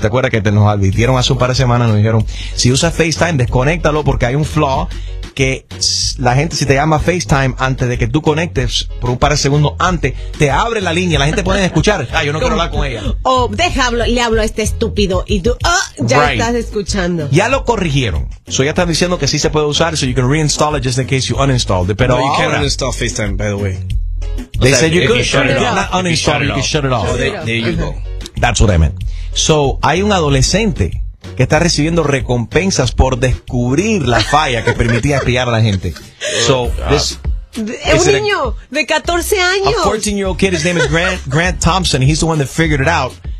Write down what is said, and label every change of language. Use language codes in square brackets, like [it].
[es] ¿Te acuerdas que nos advirtieron hace un par de semanas? Nos dijeron, si usas FaceTime, desconéctalo porque hay un flaw que la gente, si te llama FaceTime antes de que tú conectes, por un par de segundos antes, te abre la línea. La gente puede escuchar. Ah, yo no quiero hablar con ella. Oh, le hablo a este estúpido y tú estás escuchando. Ya lo corrigieron. So ya están diciendo que sí se puede usar. [en] So you can reinstall it just in case you uninstall it. [es] Pero [en] no, you can't uninstall FaceTime, by the way. They said you could shut it off. Not uninstall, you can shut it off. There you go. That's what I meant. [es] So, hay un adolescente que está recibiendo recompensas por descubrir la falla que permitía espiar a la gente. [en] So, this [es] es un niño de 14 años. [en] A 14-year-old kid, his name is Grant Thompson. He's the one that figured it out.